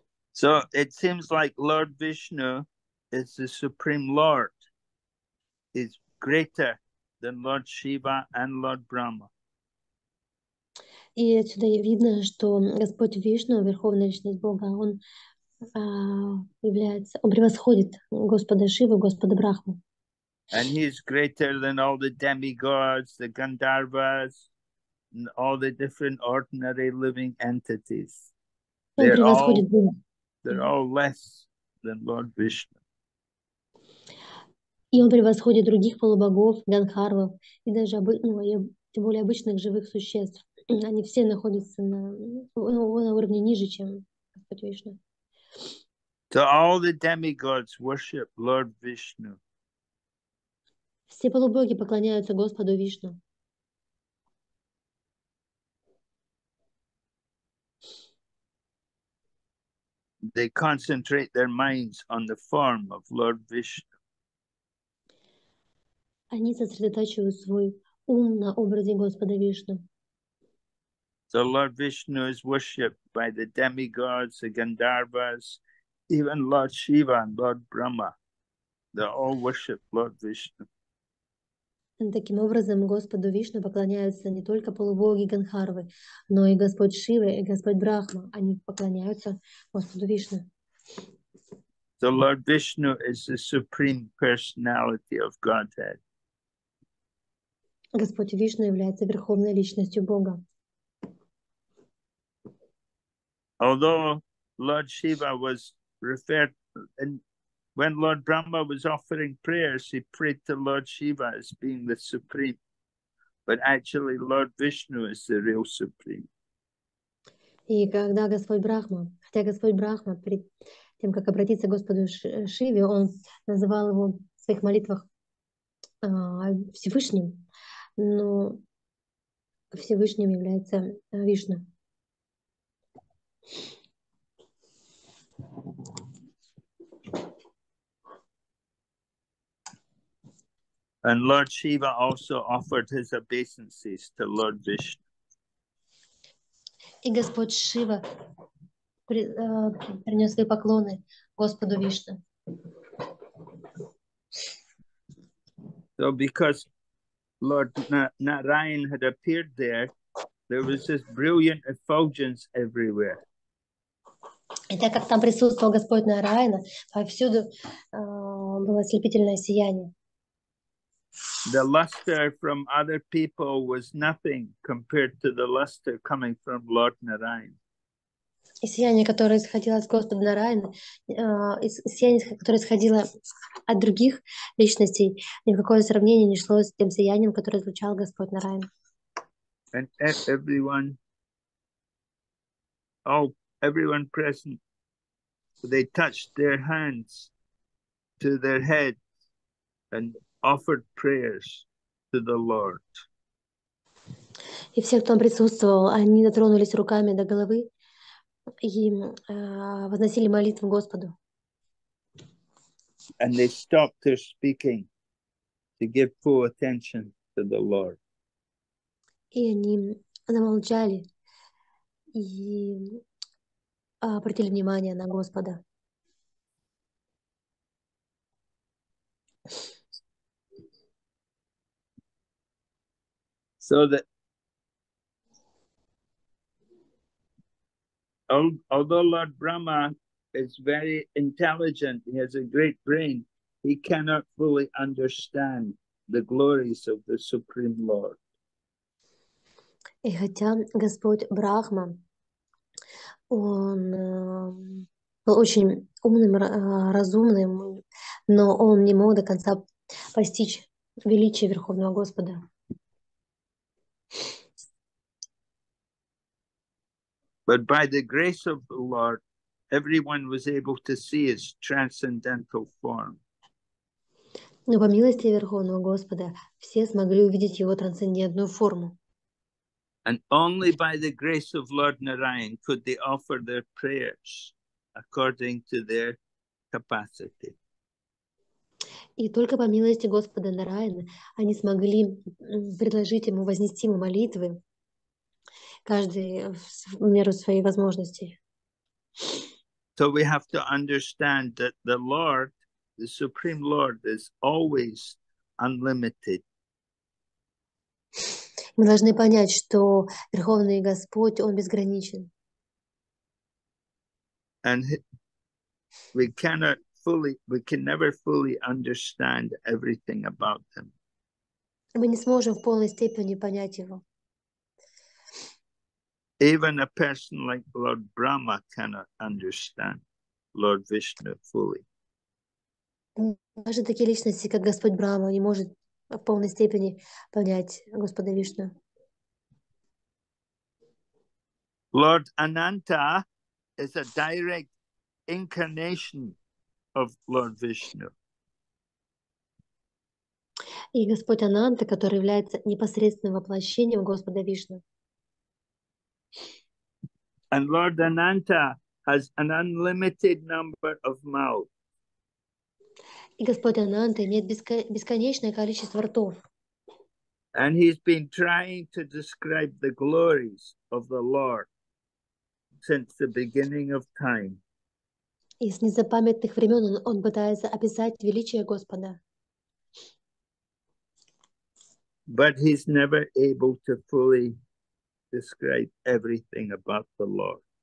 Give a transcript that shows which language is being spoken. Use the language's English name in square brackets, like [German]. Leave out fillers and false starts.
[English] So it seems like Lord Vishnu is the Supreme Lord, is greater than Lord Shiva and Lord Brahma. [Russian] И отсюда видно, что Господь Вишну, Верховная Личность Бога, он является, он превосходит Господа Шиву, Господа Брахму. [English] And he is greater than all the demigods, the Gandharvas, and all the different ordinary living entities. [Russian] Он превосходит Бога. [English] They're all less than Lord Vishnu. [Russian] И он превосходит других полубогов, Ганхарвов, и даже тем более обычных живых существ. Они все находятся на уровне ниже, чем Господь Вишну. [English] So all the demigods worship Lord Vishnu. [Russian] Все полубоги поклоняются Господу Вишну. [English] They concentrate their minds on the form of Lord Vishnu. [Russian] Они сосредотачивают свой ум на образе Господа Вишну. [English] So Lord Vishnu is worshipped by the demigods, the Gandharvas, even Lord Shiva and Lord Brahma. They all worship Lord Vishnu. [Russian] Таким образом, Господу Вишну поклоняются не только полубоги Гандхарвы, но и Господь Шива и Господь Брахма. Они поклоняются Господу Вишну. [English] The Lord Vishnu is the supreme personality of Godhead. [Russian] Господь Вишну является верховной личностью Бога. [English] Although Lord Shiva was referred, and when Lord Brahma was offering prayers, he prayed to Lord Shiva as being the supreme, but actually Lord Vishnu is the real supreme. [Russian] И когда Господь Брахма, хотя Господь Брахма перед тем, как обратиться к Господу Шиве, он называл его в своих молитвах Всевышним, но Всевышним является Вишна. [English] And Lord Shiva also offered his obeisances to Lord Vishnu. [Russian] И Господь Шива принес свои поклоны Господу Вишну. [English] So because Lord Narayan had appeared there, there was this brilliant effulgence everywhere. [Russian] И так как там присутствовал Господь Нараяна, повсюду было ослепительное сияние. [English] The luster from other people was nothing compared to the luster coming from Lord Narayan. [Russian] И сияние, которое исходило от Господа Нараяна, сияние, которое исходило от других личностей, ни в какое сравнение не шло с тем сиянием, которое излучал Господь Нараяна. [English] And everyone, oh, everyone present, they touched their hands to their heads and offered prayers to the Lord. [Russian] И все, кто там присутствовал, они дотронулись руками до головы и возносили молитву Господу. [English] And they stopped their speaking to give full attention to the Lord. [Russian] И они замолчали и обратили внимание на Господа. [English] So that although Lord Brahma is very intelligent, he has a great brain, he cannot fully understand the glories of the Supreme Lord. [Russian] И хотя Господь Брахма, он был очень умным, разумным, но он не мог до конца постичь величие Верховного Господа. [English] But by the grace of the Lord, everyone was able to see his transcendental form. [Russian] Но по милости Верховного Господа все смогли увидеть его трансцендентную форму. [English] And only by the grace of Lord Narayan could they offer their prayers according to their capacity. [Russian] И только по милости Господа Нараяна они смогли предложить ему, вознести ему молитвы, каждый в меру своей возможности. [English] So we have to understand that the Lord, the Supreme Lord, is always unlimited. [Russian] Мы должны понять, что Верховный Господь, Он безграничен. [English] And we cannot fully, we can never fully understand everything about them. [Russian] Мы не сможем в полной степени понять его. [English] Even a person like Lord Brahma cannot understand Lord Vishnu fully. [Russian] Даже такие личности, как Господь Брахма, не может в полной степени понять Господа Вишну. [English] Lord Ananta is a direct incarnation of Lord Vishnu. [Russian] И Господь Ананта, который является непосредственным воплощением Господа Вишну. [English] And Lord Ananta has an unlimited number of mouths. [Russian] И Господь Ананта имеет бесконечное количество ртов. [English] And he's been trying to describe the glories of the Lord since the beginning of time. [Russian] И с незапамятных времен он пытается описать величие Господа. [English] But he's never able to fully describe everything about the Lord.